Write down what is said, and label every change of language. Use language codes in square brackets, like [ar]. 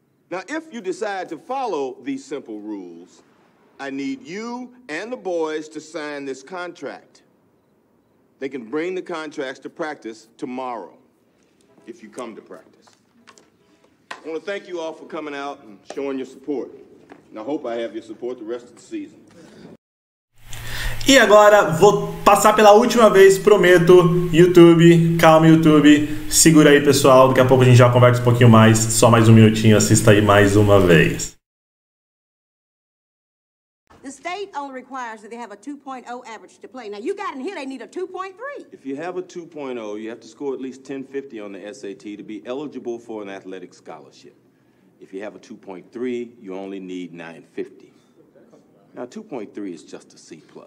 [en] Now, if you decide to follow these simple rules, I need you and the boys to sign this contract. They can bring the contracts to practice tomorrow, if you come to practice. I want to thank you all for coming out and showing your support. And I hope I have your support the rest of the season. [pt] E agora vou passar pela última vez, prometo, YouTube, calma YouTube, segura aí pessoal, daqui a pouco a gente já conversa um pouquinho mais, só mais um minutinho, assista aí mais uma vez. [en] The state only requires that they have a 2.0 average to play. Now you got in here, they need a 2.3. If you have a 2.0, you have to score at least 1050 on the SAT to be eligible for an athletic scholarship. If you have a 2.3, you only need 950. Now, 2.3 is just a C+.